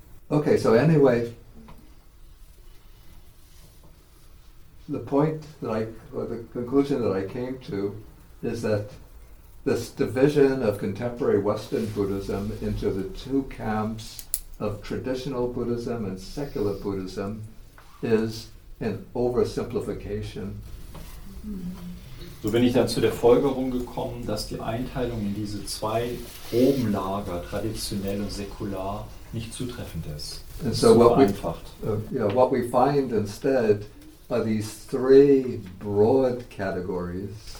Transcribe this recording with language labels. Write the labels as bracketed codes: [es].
[en] Okay, so anyway, the point that I, or the conclusion that I came to, is that this division of contemporary Western Buddhism into the two camps of traditional Buddhism and secular Buddhism is an oversimplification. [de] So bin ich dann zu der Folgerung gekommen, dass die Einteilung in diese zwei groben Lager, traditionell und säkular, nicht zutreffend ist. [en] And so what we find instead are these three broad categories.